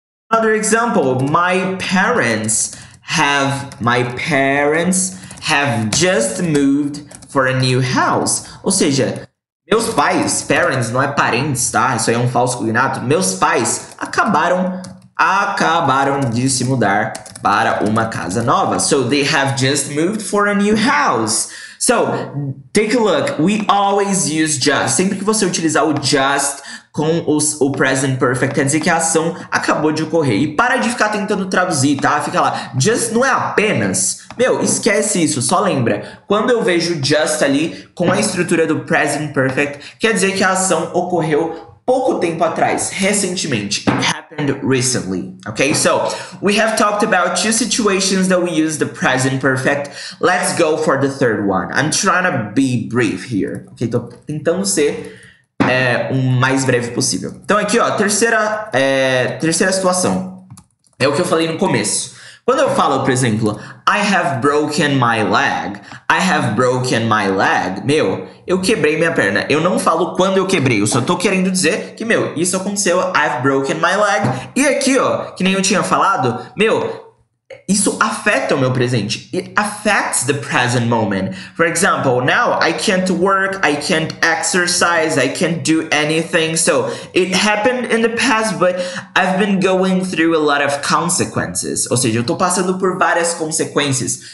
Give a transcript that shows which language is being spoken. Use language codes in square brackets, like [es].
[en] Another example, my parents have just moved for a new house. [pt] Ou seja, meus pais, parents, não é parentes, tá? Isso aí é um falso cognato. Meus pais acabaram de se mudar para uma casa nova. [en] So, they have just moved for a new house. So, take a look. We always use just. [pt] Sempre que você utilizar o just com o present perfect, quer dizer que a ação acabou de ocorrer. E para de ficar tentando traduzir, tá? Fica lá. Just não é apenas. Meu, esquece isso. Só lembra. Quando eu vejo just ali com a estrutura do present perfect, quer dizer que a ação ocorreu pouco tempo atrás, recentemente. [en] It happened recently. Okay, so we have talked about 2 situations that we use the present perfect. Let's go for the third one. I'm trying to be brief here. [pt] Okay, tô tentando ser o mais breve possível. Então aqui, ó, terceira situação. É o que eu falei no começo. Quando eu falo, por exemplo, [en] I have broken my leg, [pt] meu, eu quebrei minha perna. Eu não falo quando eu quebrei, eu só tô querendo dizer que, meu, isso aconteceu, [en] I've broken my leg. [pt] E aqui, ó, que nem eu tinha falado, meu, isso afeta o meu presente. [en] It affects the present moment. For example, now I can't work, I can't exercise, I can't do anything. So, it happened in the past, but I've been going through a lot of consequences. [pt] Ou seja, eu tô passando por várias consequências.